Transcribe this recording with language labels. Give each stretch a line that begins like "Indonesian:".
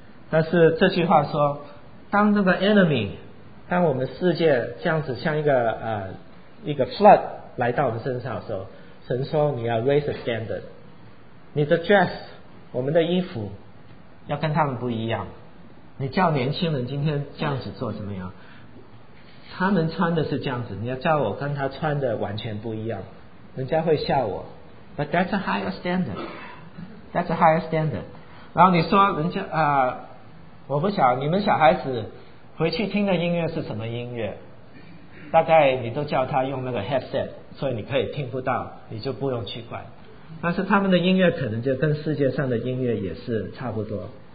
Chinese: 但是这句话说，当那个 enemy， 当我们世界这样子像一个 flood 来到我们身上的时候，神说你要
English: raise a standard，
Chinese: 你的 dress， 我们的衣服要跟他们不一样。你叫年轻人今天这样子做怎么样？他们穿的是这样子，你要叫我跟他穿的完全不一样，人家会笑我。
English: But that's a higher standard， that's a higher standard。
Chinese: 然后你说人家我不晓得你们小孩子回去听的音乐是什么音乐，大概你都叫他用那个 headset， 所以你可以听不到，你就不用去管。但是他们的音乐可能就跟世界上的音乐也是差不多。